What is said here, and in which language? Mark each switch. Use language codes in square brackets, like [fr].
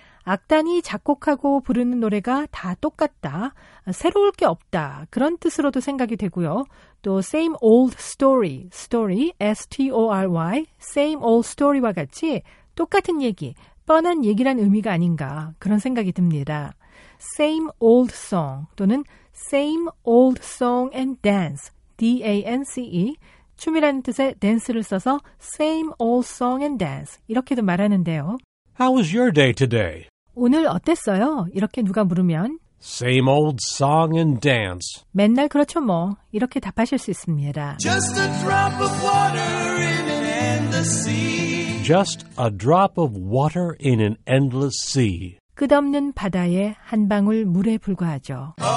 [ko] 악단이 작곡하고 부르는 노래가 다 똑같다, 새로울 게 없다, 그런 뜻으로도 생각이 되고요. 또 same old story, story, S-T-O-R-Y, same old story와 같이 똑같은 얘기, 뻔한 얘기란 의미가 아닌가 그런 생각이 듭니다. Same old song 또는 same old song and dance, D-A-N-C-E, 춤이라는 뜻의 dance를 써서 same old song and dance 이렇게도 말하는데요. [en] How was your day today? [ko] 오늘 어땠어요? 이렇게 누가 물으면 [en] Same old song and dance. [ko] 맨날 그렇죠 뭐. 이렇게 답하실 수 있습니다. [en] Just a drop of water in an endless sea. Just a drop of water in an endless sea. [ko] 끝없는 바다에 한 방울 물에 불과하죠.